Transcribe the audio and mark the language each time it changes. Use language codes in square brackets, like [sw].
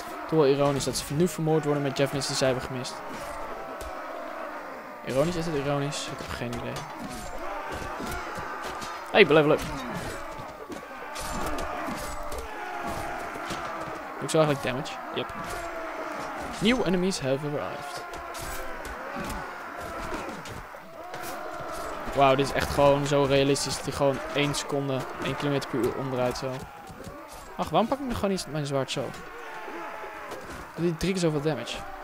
[nl] Het is wel ironisch dat ze nu vermoord worden met javelins die zij hebben gemist. Ironisch is het ironisch? Ik heb geen idee. Hey, level up. Doe ik zo eigenlijk damage? [en] Yep. New enemies have arrived. [nl] Wauw, dit is echt gewoon zo realistisch dat hij gewoon 1 seconde, 1 km per uur onderuit zo. Ach, waarom pak ik nog gewoon iets met mijn zwaard zo? Doet hij 3 keer zoveel damage.